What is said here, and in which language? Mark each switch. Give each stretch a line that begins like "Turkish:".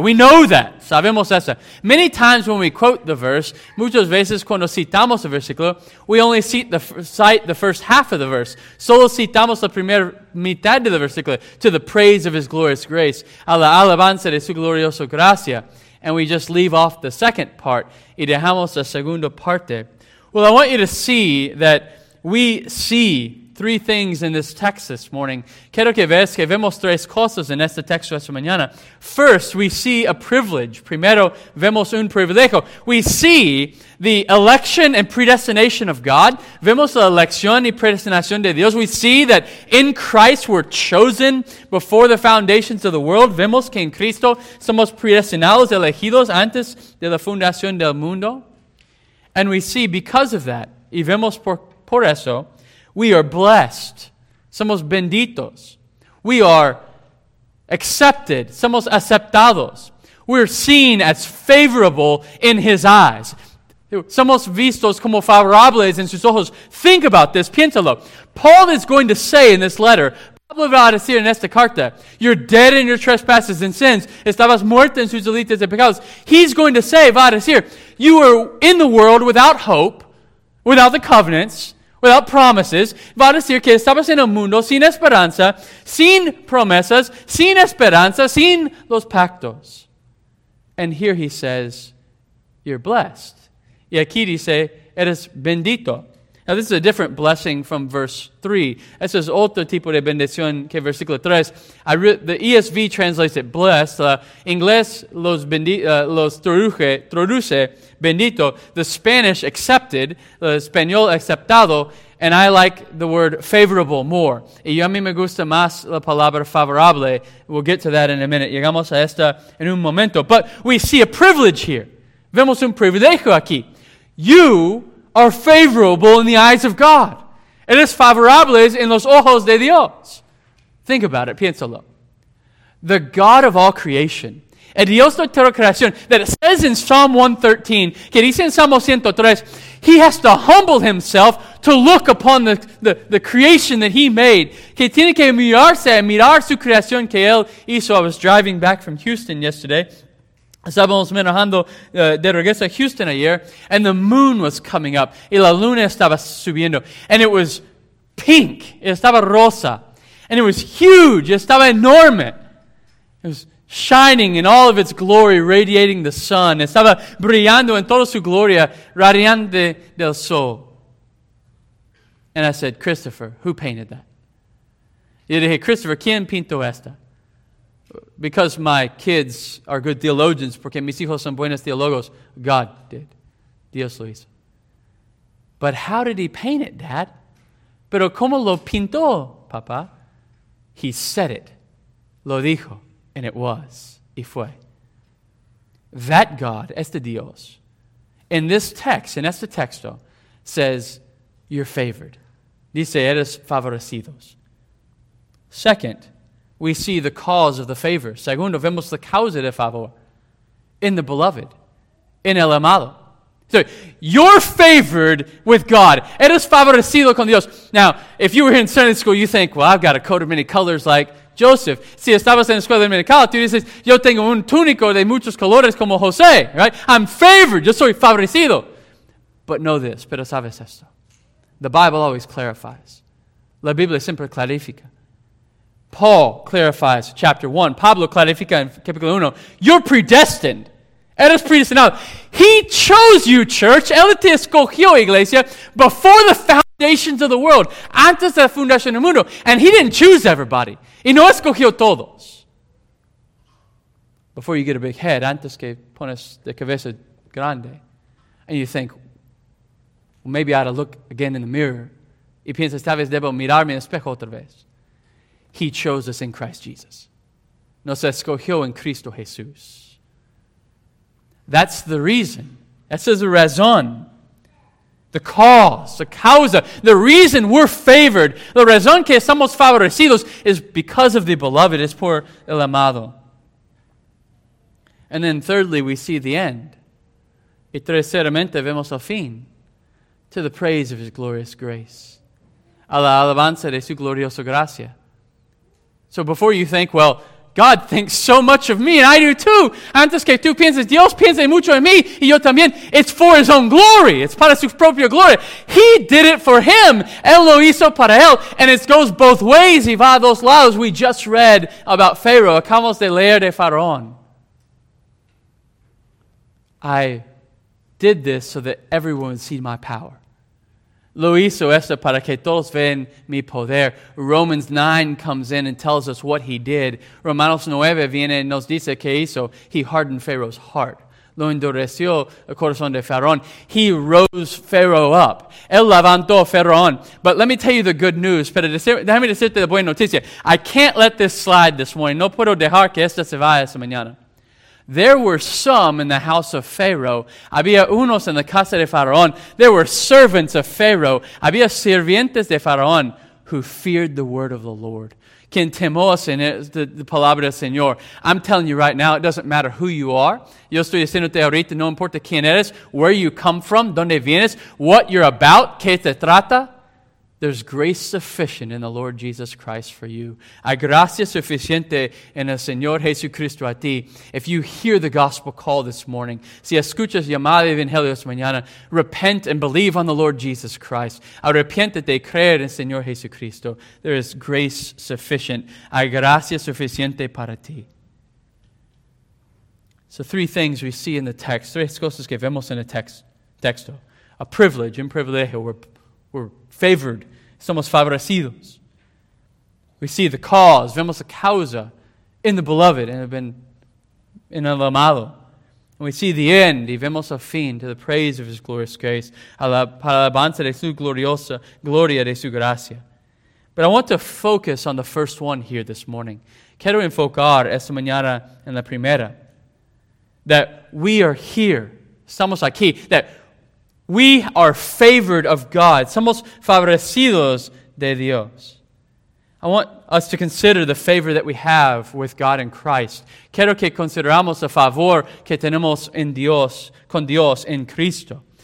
English: We know that.
Spanish: Sabemos eso.
English: Many times when we quote the verse,
Spanish: muchas veces cuando citamos el versículo,
English: we only cite the first half of the verse.
Spanish: Solo citamos la primera mitad de la versículo,
English: to the praise of his glorious grace.
Spanish: A la alabanza de su glorioso gracia.
English: And we just leave off the second part.
Spanish: Y dejamos la segunda parte.
English: Well, I want you to see that we see three things in this text this morning.
Spanish: Quiero que veas que vemos tres cosas en este texto esta mañana.
English: First, we see a privilege.
Spanish: Primero, vemos un privilegio.
English: We see the election and predestination of God.
Spanish: Vemos la elección y predestinación de Dios.
English: We see that in Christ we're chosen before the foundations of the world.
Spanish: Vemos que en Cristo somos predestinados, elegidos antes de la fundación del mundo.
English: And we see because of that,
Spanish: y vemos por eso,
English: we are blessed.
Spanish: Somos benditos.
English: We are accepted.
Spanish: Somos aceptados.
English: We're seen as favorable in his eyes.
Spanish: Somos vistos como favorables en sus ojos.
English: Think about this.
Spanish: Piénsalo.
English: Paul is going to say in this letter,
Spanish: Pablo va a decir en esta carta,
English: you're dead in your trespasses and sins.
Spanish: Estabas muerto en sus delitos y pecados.
English: He's going to say,
Spanish: va a decir,
English: you are in the world without hope, without the covenants, without promises.
Spanish: Va a decir que estabas en el mundo sin esperanza, sin promesas, sin esperanza, sin los pactos.
English: And here he says, you're blessed.
Spanish: Y aquí dice, eres bendito.
English: Now, this is a different blessing from verse 3.
Spanish: Eso es otro tipo de bendición que versículo 3.
English: The ESV translates it blessed.
Spanish: Inglés los traduce bendito.
English: The Spanish accepted.
Spanish: El español aceptado.
English: And I like the word favorable more.
Spanish: Y yo a mí me gusta más la palabra favorable.
English: We'll get to that in a minute.
Spanish: Llegamos a esta en un momento.
English: But we see a privilege here.
Spanish: Vemos un privilegio aquí.
English: You are favorable in the eyes of God.
Spanish: Eres favorables en los ojos de Dios.
English: Think about it.
Spanish: Piénsalo.
English: The God of all creation.
Spanish: El Dios de toda creación.
English: That it says in Psalm 113,
Spanish: que dice en Salmo 103,
English: he has to humble himself to look upon the creation that he made.
Spanish: Que tiene que mirarse, mirar su creación que él hizo.
English: I was driving back from Houston yesterday.
Spanish: Estábamos manejando de regreso a Houston ayer,
English: and the moon was coming up,
Spanish: y la luna estaba subiendo,
English: and it was pink,
Spanish: estaba rosa,
English: and it was huge,
Spanish: estaba enorme.
English: It was shining in all of its glory, radiating the sun,
Spanish: estaba brillando en toda su gloria, radiante del sol.
English: And I said, Christopher, who painted that?
Spanish: Y dije, Christopher, ¿quién pintó esta?
English: Because my kids are good theologians,
Spanish: porque mis hijos son buenos teólogos,
English: God did.
Spanish: Dios lo hizo.
English: But how did he paint it, Dad?
Spanish: Pero ¿cómo lo pintó, papá?
English: He said it.
Spanish: Lo dijo.
English: And it was.
Spanish: Y fue.
English: That God,
Spanish: este Dios,
English: in this text, in
Spanish: este texto,
English: says, you're favored.
Spanish: Dice, eres favorecidos.
English: Second, we see the cause of the favor.
Spanish: Segundo, vemos la causa de favor
English: in the beloved, in
Spanish: el amado.
English: So, you're favored with God.
Spanish: Eres favorecido con Dios.
English: Now, if you were in Sunday school, you think, well, I've got a coat of many colors like Joseph.
Spanish: Si estabas en la escuela dominical, tú dices, yo tengo un túnico de muchos colores como José,
English: right? I'm favored.
Spanish: Yo soy favorecido.
English: But know this,
Spanish: pero sabes esto.
English: The Bible always clarifies.
Spanish: La Biblia siempre clarifica.
English: Paul clarifies chapter 1.
Spanish: Pablo clarifica en capítulo 1.
English: You're predestined.
Spanish: Eres predestinado.
English: He chose you, church.
Spanish: Él te escogió, iglesia,
English: before the foundations of the world.
Spanish: Antes de la fundación del mundo.
English: And he didn't choose everybody.
Spanish: Y no escogió todos.
English: Before you get a big head,
Spanish: antes que pones de cabeza grande.
English: And you think, well, maybe I ought to look again in the mirror.
Spanish: Y piensas, tal vez debo mirarme en el espejo otra vez.
English: He chose us in Christ Jesus.
Spanish: Nos escogió en Cristo Jesús.
English: That's the reason.
Spanish: Esa es la razón.
English: The cause, the causa, the reason we're favored.
Spanish: La razón que estamos favorecidos
English: is because of the beloved,
Spanish: es por el amado.
English: And then thirdly, we see the end.
Spanish: Y terceramente vemos el fin.
English: To the praise of his glorious grace.
Spanish: A la alabanza de su gloriosa gracia.
English: So before you think, well, God thinks so much of me, and I do too.
Spanish: Antes que tú pienses, Dios piensa mucho en mí, y yo también.
English: It's for his own glory. It's
Spanish: para su propia gloria.
English: He did it for him.
Spanish: Él lo hizo para él.
English: And it goes both ways.
Spanish: Y va a dos lados.
English: We just read about Pharaoh.
Spanish: Acabamos de leer de Faraón.
English: I did this so that everyone would see my power.
Spanish: Lo hizo esto para que todos vean mi poder.
English: Romans 9 comes in and tells us what he did.
Spanish: Romanos 9 viene y nos dice que hizo.
English: He hardened Pharaoh's heart.
Spanish: Lo endureció el corazón de Faraón.
English: He rose Pharaoh up.
Spanish: Él levantó Faraón.
English: But let me tell you the good news.
Spanish: Pero déjame decirte la buena noticia.
English: I can't let this slide this morning.
Spanish: No puedo dejar que esta se vaya esta mañana.
English: There were some in the house of Pharaoh.
Spanish: Había unos en la casa de Faraón.
English: There were servants of Pharaoh.
Spanish: Había sirvientes de Faraón
English: who feared the word of the Lord.
Spanish: Quien temó la palabra del Señor.
English: I'm telling you right now, it doesn't matter who you are.
Spanish: Yo estoy diciéndote ahorita, no importa quién eres,
English: where you come from,
Spanish: dónde vienes,
English: what you're about,
Spanish: qué te trata.
English: There's grace sufficient in the Lord Jesus Christ for you.
Spanish: Hay gracia suficiente en el Señor Jesucristo a ti.
English: If you hear the gospel call this morning,
Spanish: si escuchas llamada de evangelio esta mañana,
English: repent and believe on the Lord Jesus Christ.
Spanish: Arrepiéntete y cree en el Señor Jesucristo.
English: There is grace sufficient.
Spanish: Hay gracia suficiente para ti.
English: So three things we see in the text.
Spanish: Tres cosas que vemos en el texto.
English: A privilege,
Spanish: un privilegio.
English: We're favored.
Spanish: Somos favorecidos.
English: We see the cause.
Spanish: Vemos la causa
English: in the beloved and have been in
Spanish: el amado.
English: And we see the end.
Spanish: Y vemos el fin
English: to the praise of His glorious grace.
Spanish: A la alabanza de su gloriosa gloria de su gracia.
English: But I want to focus on the first one here this morning.
Spanish: Quiero enfocar esta mañana en la primera.
English: That we are here.
Spanish: Estamos aquí.
English: That we are favored of God.
Spanish: Somos favorecidos de Dios.
English: I want us to consider the favor that we have with God in Christ.
Spanish: Quiero que consideramos el favor que tenemos en Dios, con Dios en Cristo.